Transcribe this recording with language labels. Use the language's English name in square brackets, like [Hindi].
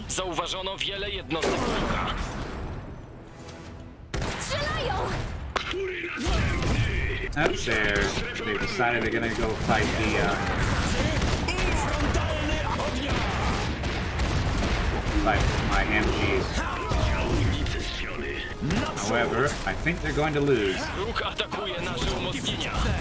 [Polish] Zauważono wiele jednostek wroga. Strzelają! [English] Up there, they decided they're gonna go fight the fight my MGs. However, I think they're going to lose. [Polish] Ruch atakuje nasze umocnienia.